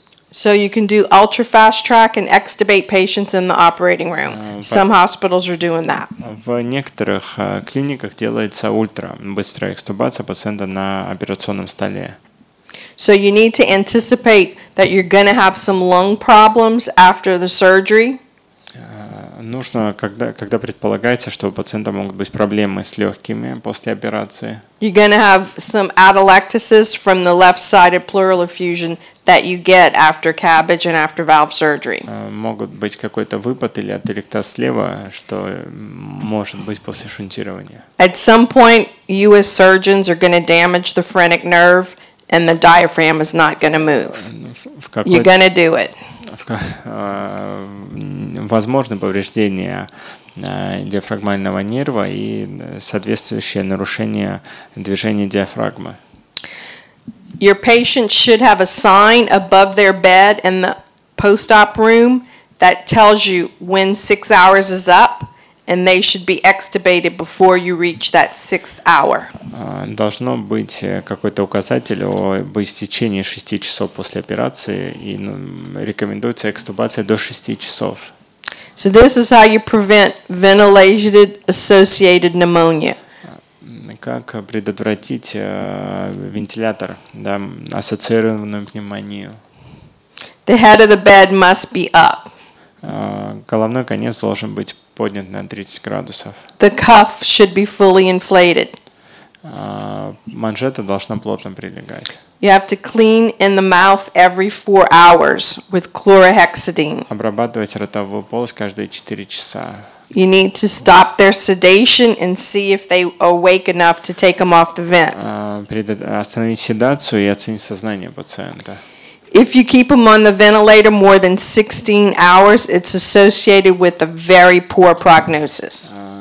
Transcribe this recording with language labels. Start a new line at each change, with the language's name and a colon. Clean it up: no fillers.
English: So you can do ultra fast track and extubate patients in the operating room. Some hospitals are doing that.
Russian: В некоторых клиниках делается ультра, быстрая экстубация пациента на операционном столе.
English: So you need to anticipate that you're going to have some lung problems after the surgery.
Russian: Нужно, когда предполагается, что у пациента могут быть проблемы с легкими после операции.
English: You're going to have some atelectasis from the left-sided pleural effusion that you get after CABG and after valve surgery.
Russian: Могут быть какой-то выпад или ателектаз слева, что может быть после шунтирования.
English: At some point, you as surgeons are going to damage the phrenic nerve, and the diaphragm is not going to move. You're going to do it.
Russian: Возможно повреждение диафрагмального нерва и соответствующее нарушение движения диафрагмы.
English: Your patient should have a sign above their bed in the post-op room that tells you when 6 hours is up, and they should be extubated before you reach that sixth hour.
Russian: Должно быть какой-то указатель об истечении 6 часов после операции, и рекомендуется экстубация до 6 часов.
English: So this is how you prevent ventilated associated pneumonia.
Russian: Как предотвратить вентилятор, да, ассоциированную пневмонию.
English: The head of the bed must be up.
Russian: Головной конец должен быть поднят на 30 градусов.
English: The cuff should be fully inflated.
Russian: Манжета должна плотно прилегать.
English: You have to clean in the mouth every 4 hours with chlorhexidine.
Russian: Обрабатывать ротовую полость каждые 4 часа.
English: You need to stop their sedation and see if they awake enough to take them off the vent.
Russian: Остановить седацию и оценить сознание пациента.
English: If you keep them on the ventilator more than 16 hours, it's associated with a very poor prognosis.